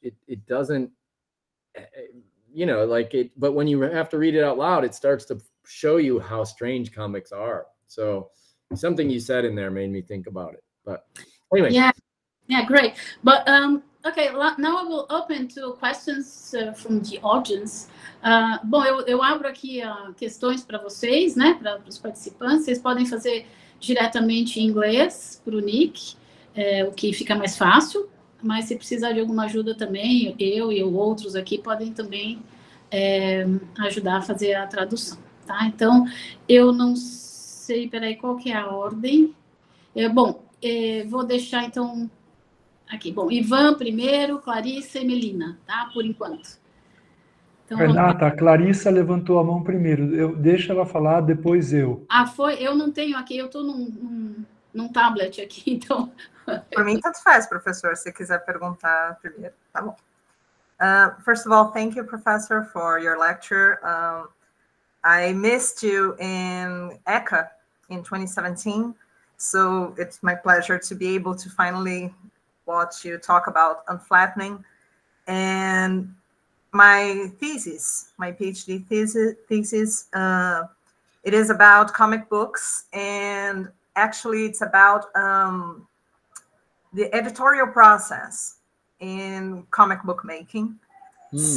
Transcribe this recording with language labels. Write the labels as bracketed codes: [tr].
[en] It doesn't, you know, like it, but when you have to read it out loud, it starts to show you how strange comics are. So something you said in there made me think about it. But anyway. Yeah, great. But okay, now I will open to questions from the audience. [pt] Bom, eu abro aqui questões para vocês, né, para os participantes. Vocês podem fazer diretamente em inglês para o Nick, o que fica mais fácil. Mas se precisar de alguma ajuda também, eu e outros aqui podem também ajudar a fazer a tradução, tá? Então, eu não sei, peraí, qual que é a ordem? Vou deixar então aqui. Bom, Ivan primeiro, Clarissa e Melina, tá? Por enquanto. Então, Renata, vamos... a Clarissa levantou a mão primeiro. Deixa ela falar, depois eu. Ah, foi? Eu não tenho aqui, eu estou num tablet aqui, então... [en] For me, [pt] tanto faz, professor, se quiser perguntar primeiro. Tá bom. [en] First of all, thank you, professor, for your lecture. I missed you in ECA in 2017, so it's my pleasure to be able to finally watch you talk about unflattening. And my PhD thesis, it is about comic books, and actually it's about the editorial process in comic book making. Mm.